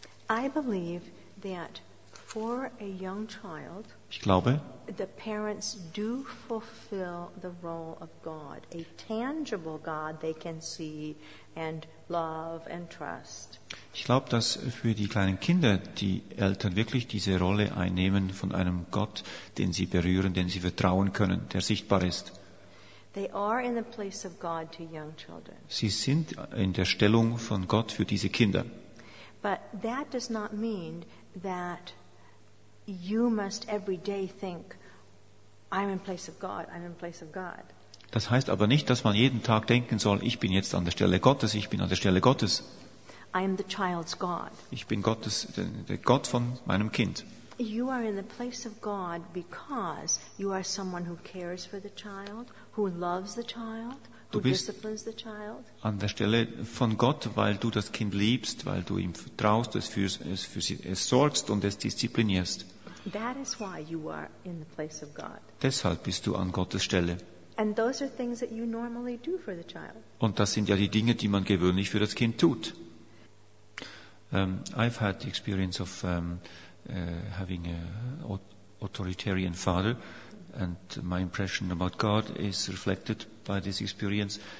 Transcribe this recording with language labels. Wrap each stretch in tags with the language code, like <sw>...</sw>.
<en>I believe that for a young child,</en> <de>ich glaube,</de> <en>the parents do fulfill the role of God, a tangible God they can see and love and trust.</en> <de>Ich glaube, dass für die kleinen Kinder die Eltern wirklich diese Rolle einnehmen von einem Gott, den sie berühren, den sie vertrauen können, der sichtbar ist.</de> <en>They are in the place of God to young children.</en> <de>Sie sind in der Stellung von Gott für diese Kinder.</de> <en>But that does not mean that you must every day think, I'm in place of God, I'm in place of God.</en> <de>Das heißt aber nicht, dass man jeden Tag denken soll, ich bin jetzt an der Stelle Gottes, ich bin an der Stelle Gottes.</de> <en>I am the child's God.</en> <de>Ich bin Gottes, der Gott von meinem Kind.</de> <en>You are in the place of God because you are someone who cares for the child, who loves the child, who disciplines the child.</en> <de>Du bist an der Stelle von Gott, weil du das Kind liebst, weil du ihm vertraust, es sorgst und es disziplinierst.</de> <en>That is why you are in the place of God.</en> <de>Deshalb bist du an Gottes Stelle.</de> <en>And those are things that you normally do for the child.</en> <de>Und das sind ja die Dinge, die man gewöhnlich für das Kind tut.</de> <en>I've had the experience of having an authoritarian father, and my impression about God is reflected by this experience.</en>